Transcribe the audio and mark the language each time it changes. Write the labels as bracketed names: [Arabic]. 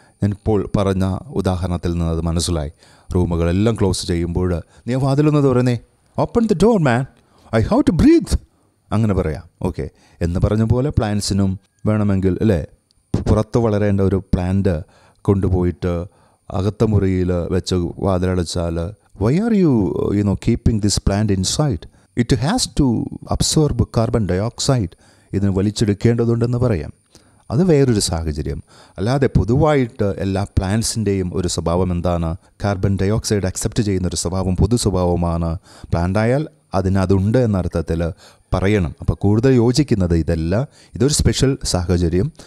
[Malayalam] ഞാൻ ഇപ്പോൾ പറഞ്ഞ ഉദാഹരണത്തിൽ നിന്ന് അത് മനസ്സിലായി. റൂമുകളെല്ലാം ക്ലോസ് ചെയ്യുമ്പോൾ നീ വാതിലൊന്ന് തുറന്നേ, [English] open the door man, I have to breathe, [Malayalam] അങ്ങനെ പറയാം. ഓക്കെ, എന്ന് പറഞ്ഞ പോലെ പ്ലാന്റ്സിനും വേണമെങ്കിൽ, അല്ലേ, പുറത്ത് വളരേണ്ട ഒരു പ്ലാന്റ് കൊണ്ടുപോയിട്ട് അകത്ത മുറിയിൽ വെച്ച് വാതിലടച്ചാൽ, [English] Why are you, you know, keeping this plant inside? It has to absorb carbon dioxide. [Malayalam] ഇതിന് വലിച്ചെടുക്കേണ്ടതുണ്ടെന്ന് പറയാം. അത് വേറൊരു സാഹചര്യം. അല്ലാതെ പൊതുവായിട്ട് എല്ലാ പ്ലാന്റ്സിൻ്റെയും ഒരു സ്വഭാവം എന്താണ്? കാർബൺ ഡയോക്സൈഡ് അക്സെപ്റ്റ് ചെയ്യുന്ന ഒരു സ്വഭാവം പൊതു സ്വഭാവമാണ്. പ്ലാന്റായാൽ അതിനതുണ്ട് എന്നർത്ഥത്തിൽ പറയണം. അപ്പോൾ കൂടുതൽ യോജിക്കുന്നത് ഇതല്ല, ഇതൊരു സ്പെഷ്യൽ സാഹചര്യം.